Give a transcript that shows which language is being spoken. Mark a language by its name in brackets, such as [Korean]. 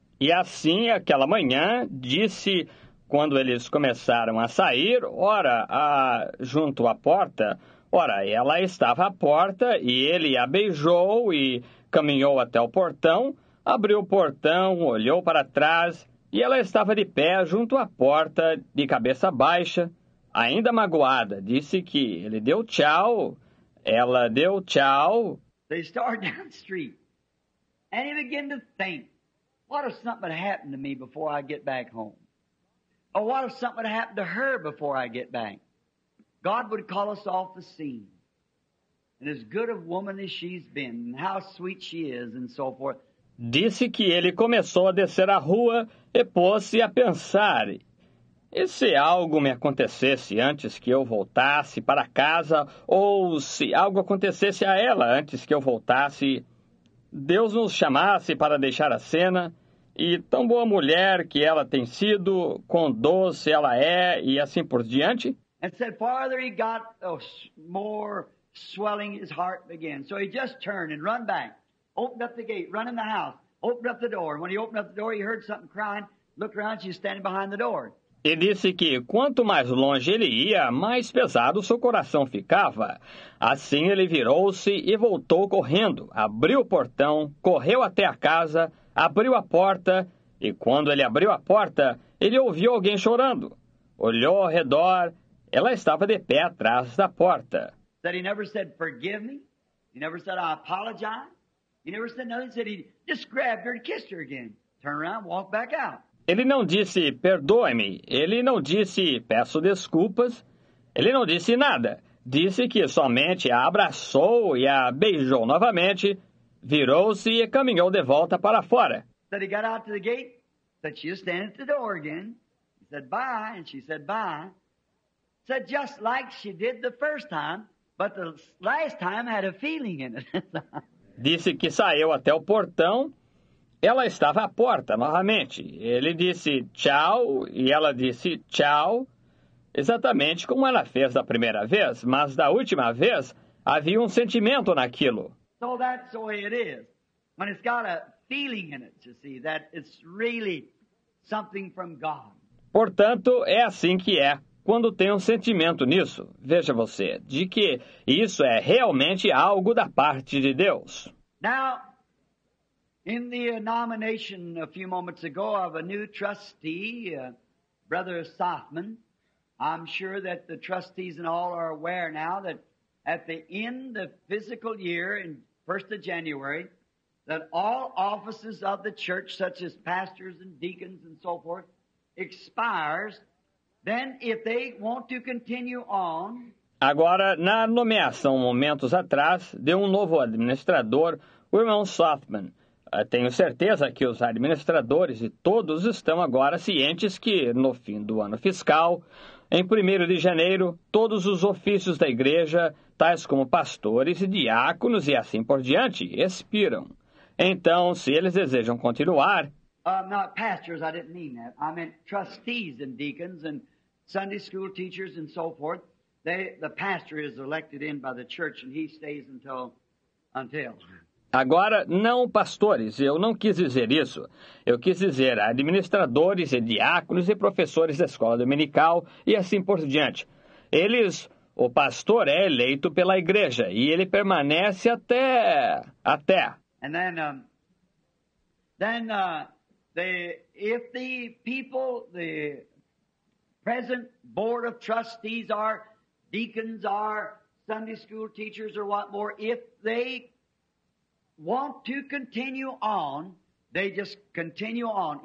[Portuguese] E assim, aquela manhã, disse, quando eles começaram a sair, junto à porta, ela estava à porta e ele a beijou e caminhou até o portão, abriu o portão, olhou para trás e ela estava de pé junto à porta, de cabeça baixa, ainda magoada. Disse que ele deu tchau, ela deu tchau. [English] They started down the street and he began to think. What if something had happened to me before I get back home? Or what if something had happened to her before I get back? God would call us off the scene. And as good a woman as she's been, and how sweet she is, and so forth. [Portuguese] Disse que ele começou a descer a rua e pôs-se a pensar. E se algo me acontecesse antes que eu voltasse para casa, ou se algo acontecesse a ela antes que eu voltasse, Deus nos chamasse para deixar a cena, e tão boa mulher que ela tem sido, quão doce ela é, e assim por diante. [English] And said, Father, he got more swelling his heart again. So he just turned and run back, opened up the gate, run in the house, opened up the door. When he opened up the door, he heard something crying, looked around, she's standing behind the door. [Portuguese] E disse que quanto mais longe ele ia, mais pesado seu coração ficava. Assim ele virou-se e voltou correndo, abriu o portão, correu até a casa, abriu a porta, e quando ele abriu a porta, ele ouviu alguém chorando. Olhou ao redor, ela estava de pé atrás da porta. Ele nunca disse, [English] forgive me. [Portuguese] Ele nunca disse, [English] I apologize. [Portuguese] Ele nunca disse nada. Ele disse, [English] he just grabbed her and kissed her again. Turn around, walk back out. [Portuguese] Ele não disse, perdoe-me. Ele não disse, peço desculpas. Ele não disse nada. Disse que somente a abraçou e a beijou novamente, virou-se e caminhou de volta para fora. [English] Ele got out to the gate, said she was standing at the door again. He said, bye, and she said, bye. Said, just like she did the first time, but the last time had a feeling in it. [Portuguese] Disse que saiu até o portão. Ela estava à porta novamente. Ele disse tchau e ela disse tchau, exatamente como ela fez da primeira vez, mas da última vez havia um sentimento naquilo. [English] So that's the way it is. When it's got a feeling in it, you see, that it's really something from God. [Portuguese] Portanto, é assim que é quando tem um sentimento nisso. Veja você, de que isso é realmente algo da parte de Deus. [English] Now, in the nomination a few moments ago of a new trustee, Brother Sothman, I'm sure that the trustees and all are aware now that at the end of the physical year, in 1st of January, that all offices of the church, such as pastors and deacons and so forth, expires. Then if they want to continue on... [Portuguese] Agora, na nomeação momentos atrás, deu novo administrador, o irmão Sothman. Tenho certeza que os administradores e todos estão agora cientes que, no fim do ano fiscal, em 1º de janeiro, todos os ofícios da igreja, tais como pastores e diáconos e assim por diante, expiram. Então, se eles desejam continuar... [English] Not pastors, I didn't mean that. I meant trustees and deacons and Sunday school teachers and so forth. The pastor is elected in by the church and he stays until... [Portuguese] Agora, não pastores, eu não quis dizer isso. Eu quis dizer administradores e diáconos e professores da escola dominical e assim por diante. O pastor é eleito pela igreja e ele permanece até. [English] And then if the people, the present board of trustees are deacons, are Sunday school teachers or what more, if they want to continue on, they just continue on.